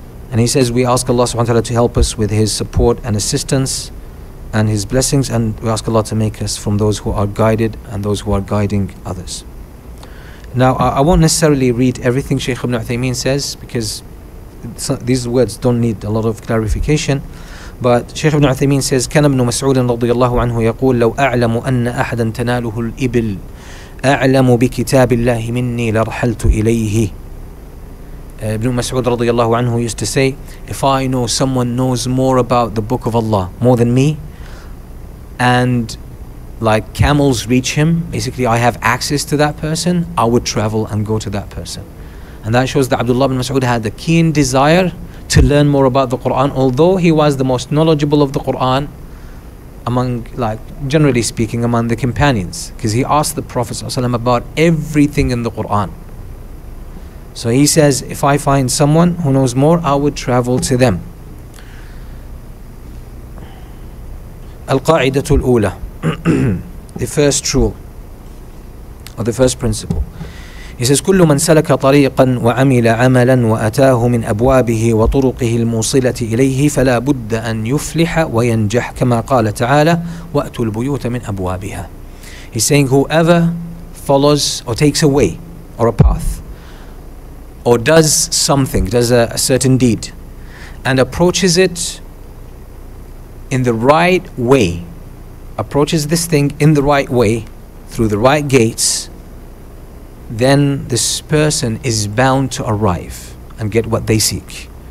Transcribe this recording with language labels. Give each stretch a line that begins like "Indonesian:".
English: And he says, we ask Allah subhanahu wa ta'ala to help us with his support and assistance and his blessings, and we ask Allah to make us from those who are guided and those who are guiding others. Now, I won't necessarily read everything Shaykh Ibn Uthaymeen says, because these words don't need a lot of clarification. But Shaykh ibn Uthaymeen says,
Arabic: كان ابن مسعود رضي الله عنه يقول لو أعلم أن أحدا تناله الإبل أعلم بكتاب الله مني لرحلت إليه.
English: Ibn Mas'ud
Arabic: رضي الله عنه
English: used to say, if I know someone knows more about the book of Allah more than me, and like camels reach him, basically I have access to that person, I would travel and go to that person. And that shows that Abdullah ibn Mas'ud had a keen desire to learn more about the Qur'an, although he was the most knowledgeable of the Qur'an among the companions, because he asked the Prophet ﷺ about everything in the Qur'an. So he says, if I find someone who knows more, I would travel to them.
Arabic: القاعدة الأولى,
English: the first rule, or the first principle. He says,
Arabic: كل من سلك طريقا وعمل عملا وأتاه من أبوابه وطرقه الموصلة إليه فلا بد أن يفلح وينجح كما قال تعالى وأتوا البيوت من أبوابها.
English: He's saying, whoever follows or takes a way or a path or does something, does a certain deed and approaches it in the right way, approaches this thing in the right way through the right gates, then this person is bound to arrive and get what they seek.